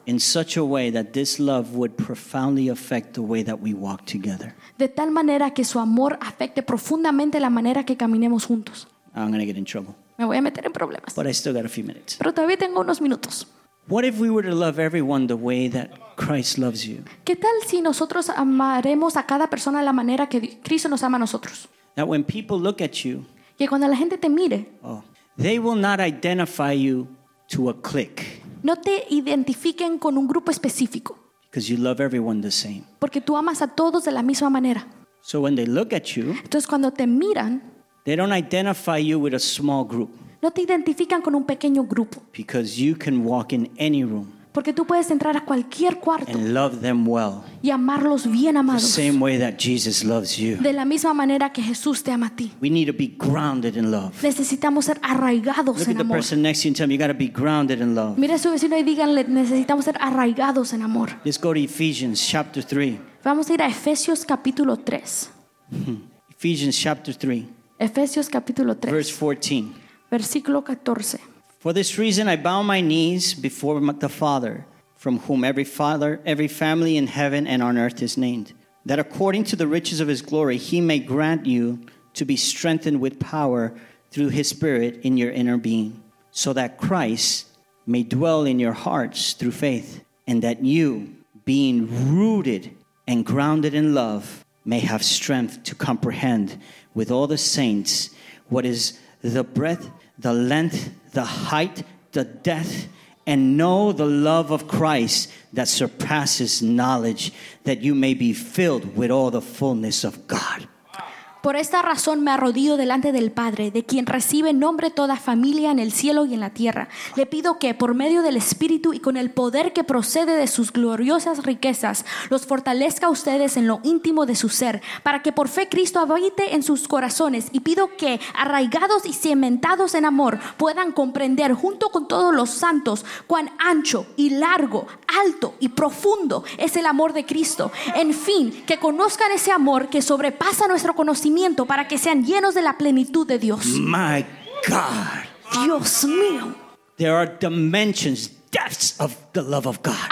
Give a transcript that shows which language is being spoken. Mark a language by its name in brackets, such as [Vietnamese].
[English] In such a way that this love would profoundly affect the way that we walk together. [Spanish] De tal manera que su amor afecte profundamente la manera que caminemos juntos. [English] I'm going to get in trouble. [Spanish] Me voy a meter en problemas. [English] But I still got a few minutes. [Spanish] Pero todavía tengo unos minutos. [English] What if we were to love everyone the way that Christ loves you? [Spanish] ¿Qué tal si nosotros amaremos a cada persona la manera que Cristo nos ama a nosotros? [English] That when people look at you, [Spanish] que cuando la gente te mire, [English] oh, they will not identify you to a clique. [Spanish] No te identifiquen con un grupo específico. [English] Because you love everyone the same. [Spanish] Porque tú amas a todos de la misma manera. [English] So when they look at you, [Spanish] entonces cuando te miran, [English] they don't identify you with a small group. [Spanish] No te identifican con un pequeño grupo. [English] Because you can walk in any room. [Spanish] Porque tú puedes entrar a cualquier cuarto. [English] And love them well. [Spanish] Y amarlos bien amados. [English] The same way that Jesus loves you. [Spanish] De la misma manera que Jesús te ama a ti. [English] We need to be grounded in love. [Spanish] Necesitamos ser arraigados en amor. [English] Look at the person next to you and tell them, you got to be grounded in love. [Spanish] Mira a su vecino y díganle, necesitamos ser arraigados en amor. [English] Let's go to Ephesians chapter 3. [Spanish] Vamos a ir a Efesios capítulo 3. [English] Ephesians chapter 3. [Spanish] Efesios capítulo 3. [English] Verse 14. [Spanish] Versículo 14. [English] For this reason I bow my knees before the Father, from whom every father, every family in heaven and on earth is named, that according to the riches of His glory He may grant you to be strengthened with power through His Spirit in your inner being, so that Christ may dwell in your hearts through faith, and that you, being rooted and grounded in love, may have strength to comprehend with all the saints what is the breadth, the length, the height, the depth, and know the love of Christ that surpasses knowledge, that you may be filled with all the fullness of God. [Spanish] Por esta razón me arrodillo delante del Padre, de quien recibe nombre toda familia en el cielo y en la tierra. Le pido que, por medio del Espíritu y con el poder que procede de sus gloriosas riquezas, los fortalezca a ustedes en lo íntimo de su ser, para que por fe Cristo habite en sus corazones. Y pido que, arraigados y cimentados en amor, puedan comprender junto con todos los santos cuán ancho y largo, alto y profundo es el amor de Cristo. En fin, que conozcan ese amor que sobrepasa nuestro conocimiento, para que sean llenos de la plenitud de Dios. [English] My God. [Spanish] Dios mío. [English] There are dimensions, depths of the love of God.